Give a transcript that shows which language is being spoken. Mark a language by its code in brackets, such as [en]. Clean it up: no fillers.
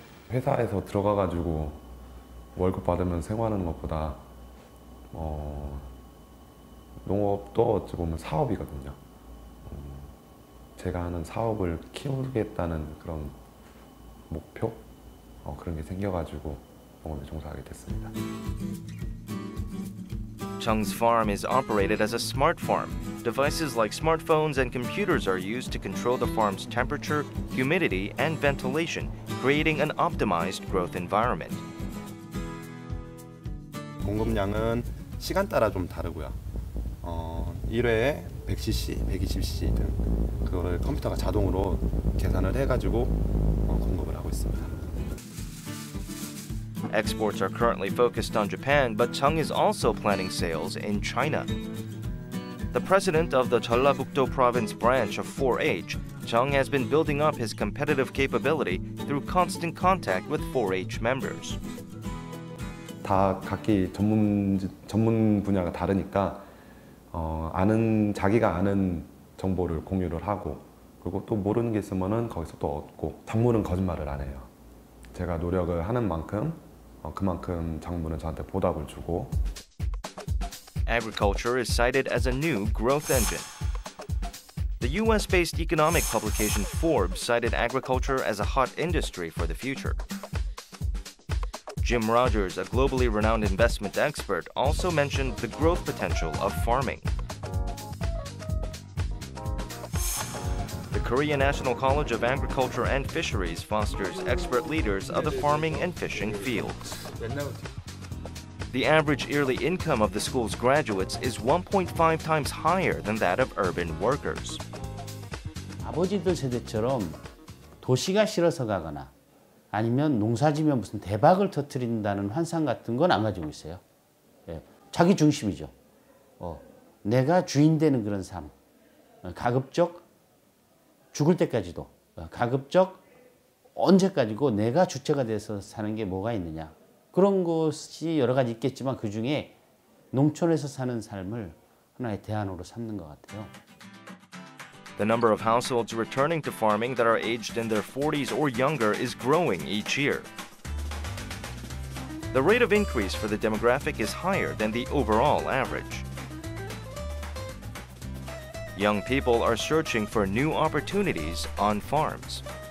[ko] 회사에서 들어가가지고 월급 받으면 생활하는 것보다 농업도 어찌 보면 사업이거든요. 제가 하는 사업을 키우겠다는 그런 목표 그런 게 생겨가지고 농업에 종사하게 됐습니다. [en] Chung's farm is operated as a smart farm. Devices like smartphones and computers are used to control the farm's temperature, humidity, and ventilation, creating an optimized growth environment. [ko] 공급량은 시간 따라 좀 다르고요. 1회에 100cc, 120cc 등 그거를 컴퓨터가 자동으로 계산을 해가지고 공급을 하고 있습니다. [en] Exports are currently focused on Japan, but Chung is also planning sales in China. The president of the Jeollabuk-do province branch of 4-H, Chung has been building up his competitive capability through constant contact with 4-H members. [ko] 다 각기 전문 분야가 다르니까 아는 자기가 아는 정보를 공유를 하고 그리고 또 모르는 게 있으면은 거기서 또 얻고 작물은 거짓말을 안 해요. 제가 노력을 하는 만큼 그만큼 정부는 저한테 보답을 주고. [en] Agriculture is cited as a new growth engine. The US-based economic publication Forbes cited agriculture as a hot industry for the future. Jim Rogers, a globally renowned investment expert, also mentioned the growth potential of farming. Korean National College of Agriculture and Fisheries fosters expert leaders of the farming and fishing fields. The average yearly income of the school's graduates is 1.5 times higher than that of urban workers. [ko] 아버지들 세대처럼 도시가 싫어서 가거나 아니면 농사지면 무슨 대박을 터뜨린다는 환상 같은 건 안 가지고 있어요. 예, 자기 중심이죠. 내가 주인 되는 그런 삶. 가급적 죽을 때까지도 가급적 언제까지고 내가 주체가 돼서 사는 게 뭐가 있느냐 그런 것이 여러 가지 있겠지만 그 중에 농촌에서 사는 삶을 하나의 대안으로 삼는 것 같아요. [en] The number of households returning to farming that are aged in their 40s or younger is growing each year. The rate of increase for the demographic is higher than the overall average. Young people are searching for new opportunities on farms.